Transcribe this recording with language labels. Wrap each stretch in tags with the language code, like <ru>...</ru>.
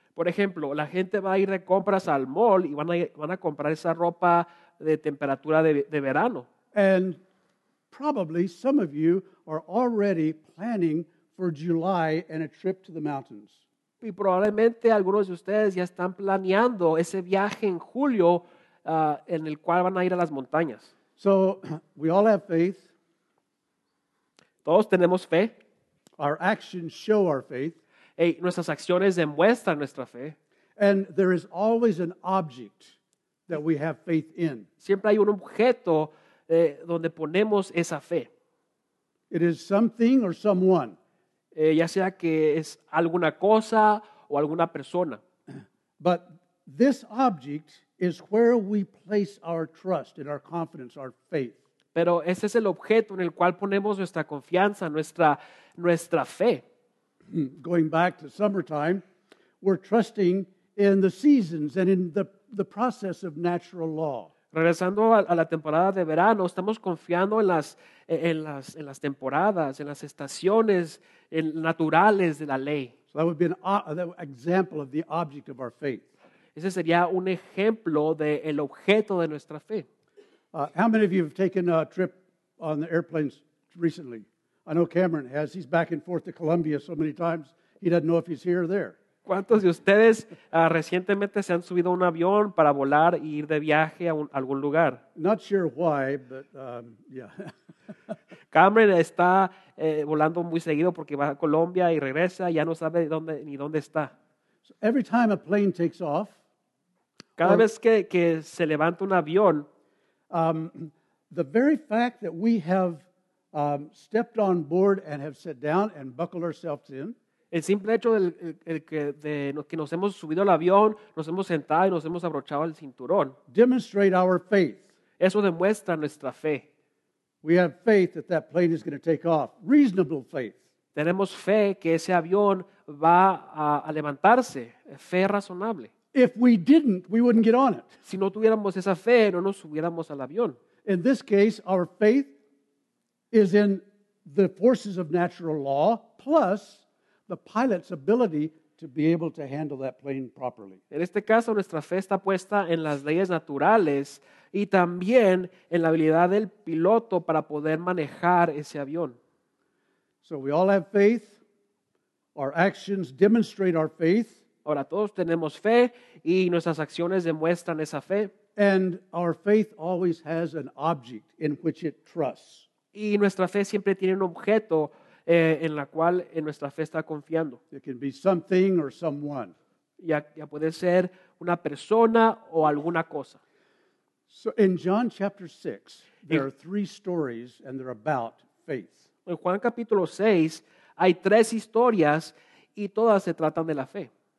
<es>Por ejemplo, la gente va a ir de compras al mall y van a comprar esa ropa de temperatura de verano.</es> <en>And probably some of you are already planning for July and a trip to the mountains.</en> <es>Y probablemente algunos de ustedes ya están planeando ese viaje en julio en el cual van a ir a las montañas.</es> <en>So, we all have faith.</en> <es>Todos tenemos fe.</es> <en>Our actions show our faith.</en> <es>Y nuestras acciones demuestran nuestra fe.</es> <en>And there is always an object that we have faith in.</en> <es>Siempre hay un objeto donde ponemos esa fe.</es> <en>It is something or someone.</en> <es>Ya sea que es alguna cosa o alguna persona.</es> <en>But this object is where we place our trust and our confidence, our faith.</en> <es>Pero ese es el objeto en el cual ponemos nuestra confianza, nuestra fe.</es> <en>Going back to summertime, we're trusting in the seasons and in the process of natural law.</en> <es>Regresando a la temporada de verano, estamos confiando en las temporadas, en las estaciones naturales de la ley.</es> <en>So that would be an example of the object of our faith.</en> <es>Ese sería un ejemplo del objeto de nuestra fe.</es> <en>How many of you have taken a trip on the airplanes recently? I know Cameron has. He's back and forth to Colombia so many times, he doesn't know if he's here or there.</en> <es>¿Cuántos de ustedes recientemente se han subido a un avión para volar e ir de viaje a algún lugar?</es> <en>Not sure why, but yeah.</en> <es>Cameron está volando muy seguido porque va a Colombia y regresa, ya no sabe dónde ni dónde está.</es> <en>So every time a plane takes off,</en> <es>cada vez que se levanta un avión,</es> <en>the very fact that we have stepped on board and have sat down and buckled ourselves in,</en> <es>el simple hecho de que nos hemos subido al avión, nos hemos sentado y nos hemos abrochado el cinturón.</es> <en>Demonstrate our faith.</en> <es>Eso demuestra nuestra fe.</es> <en>We have faith that that plane is going to take off. Reasonable faith.</en> <es>Tenemos fe que ese avión va a levantarse. Fe razonable.</es> <en>If we didn't, we wouldn't get on it.</en> <es>Si no tuviéramos esa fe, no nos subiéramos al avión.</es> <en>In this case, our faith is in the forces of natural law plus the pilot's ability to be able to handle that plane properly.</en> <es>En este caso, nuestra fe está puesta en las leyes naturales y también en la habilidad del piloto para poder manejar ese avión.</es> <en>So we all have faith. Our actions demonstrate our faith.</en> <es>Ahora todos tenemos fe y nuestras acciones demuestran esa fe.</es> <en>And our faith always has an object in which it trusts.</en> <es>Y nuestra fe siempre tiene un objeto en la cual en nuestra fe está confiando.</es> <en>It can be something or someone.</en> <es>Ya puede ser una persona o alguna cosa.</es> <en>So in John chapter 6, there are three stories and they're about faith.</en> <es>En Juan capítulo 6, hay tres historias y todas se tratan de la fe.</es>